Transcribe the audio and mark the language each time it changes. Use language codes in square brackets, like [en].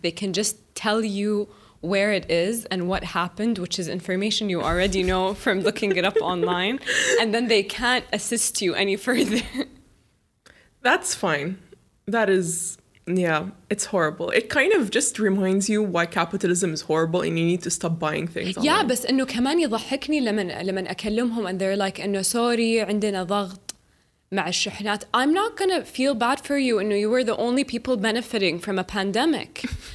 [en] They can just tell you where it is and what happened, which is information you already know from looking it up online. And then they can't assist you any further. That's fine. That is, yeah, it's horrible. It kind of just reminds you why capitalism is horrible and you need to stop buying things. [ar] Yeah, بس إنه كمان يضحكني لمن أكلمهم [en] and they're like, [ar] إنه [en] sorry, [ar] عندنا ضغط مع الشحنات. [en] I'm not gonna feel bad for you إنه you were the only people benefiting from a pandemic.